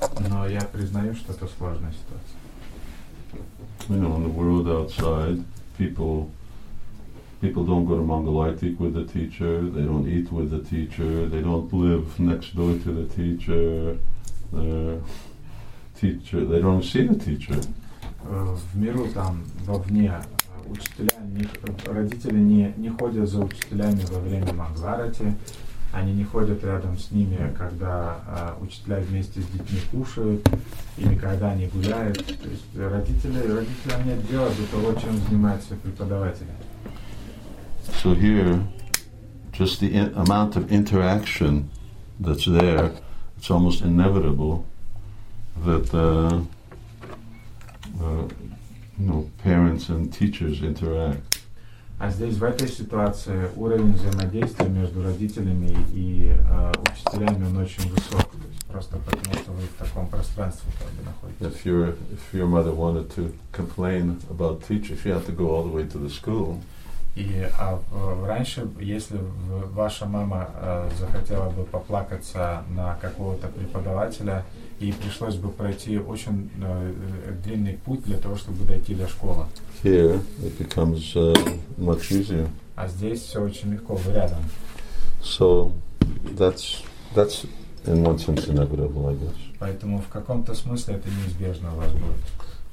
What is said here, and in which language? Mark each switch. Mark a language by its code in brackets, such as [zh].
[ru] Но я признаю, что это сложная ситуация. [en] You know, in the world outside, people don't go to Mangalaitik with the teacher, they don't eat with the teacher, they don't live next door to the teacher, they don't see the teacher. [ru] В миру там, вовне, учителя, родители не ходят за учителями во время Мангаларати. Они не ходят рядом с ними, когда учителя вместе с детьми кушают, или когда они гуляют. То есть родителям нет дела до того, чем занимаются преподаватели. [en] So here, just the amount of interaction that's there, it's almost inevitable that parents and teachers interact. [ru] А здесь, в этой ситуации, уровень взаимодействия между родителями и учителями, он очень высок. То есть просто потому, что вы в таком пространстве находитесь. [en] If your mother wanted to complain about teacher, she had to go all the way to the school. [ru] И раньше, если ваша мама захотела бы поплакаться на какого-то преподавателя, и пришлось бы пройти очень длинный путь для того, чтобы дойти до школы. [en] Here it becomes much easier. [ru] А здесь все очень легко, вы рядом. [en] So that's in one sense inevitable, I guess. [ru] Поэтому в каком-то смысле это неизбежно у вас будет.